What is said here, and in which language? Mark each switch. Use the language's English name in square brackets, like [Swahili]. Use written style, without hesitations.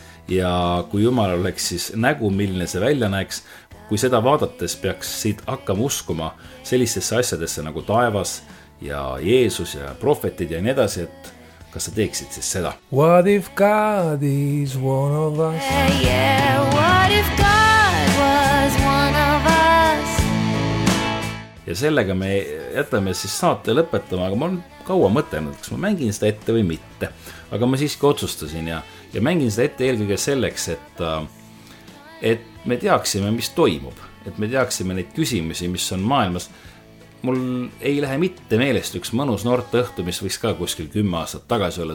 [Estonian] Ja kui Jumal oleks siis nägu, milline see välja näeks, kui seda vaadates peaks siit hakkama uskuma sellistesse asjadesse nagu taevas, ja Jeesus ja profetid ja nii edasi, et kas sa teeksid siis seda? [English] What if God is one of us? Yeah, what if God was one of us? [Estonian] Ja sellega me jätame siis saate lõpetama, aga ma olen kaua mõtlenud, kas ma mängin seda ette või mitte. Aga ma siiski otsustasin ja mängin seda ette eelkõige selleks, et me teaksime, mis toimub. Et me teaksime neid küsimusi, mis on maailmas. Mul ei lähe mitte meelest üks mõnus noorte õhtu, mis võiks ka kuskil 10 aastat tagasi olla.